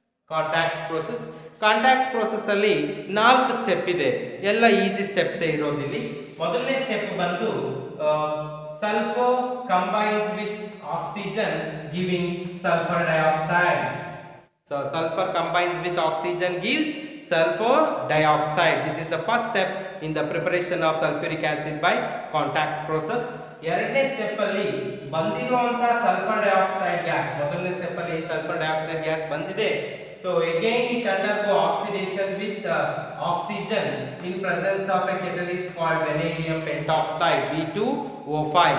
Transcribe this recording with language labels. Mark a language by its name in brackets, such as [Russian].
[Kannada] Contacts process, contacts process ಅಲ್ಲಿ 4 step ಇದೆ, ಎಲ್ಲ ಈಸಿ ಸ್ಟೆಪ್ಸೇ ಇರೋದಿಲ್ಲಿ. ಮೊದಲನೇ [English] step [Kannada] ಬಂದು [English] Sulphur combines with oxygen giving sulphur dioxide. So sulfur combines with oxygen gives sulfur dioxide. This is the first step in the preparation of sulfuric acid by contacts process. [Kannada] ಎರಡನೇ step ಅಲ್ಲಿ ಬಂದಿರುವಂತಹ sulphur dioxide gas, ಮೊದಲನೇ step ಅಲ್ಲಿ sulphur dioxide gas ಬಂದಿದೆ. [English] So again it undergo oxidation with oxygen in presence of a catalyst called vanadium pentoxide V2O5.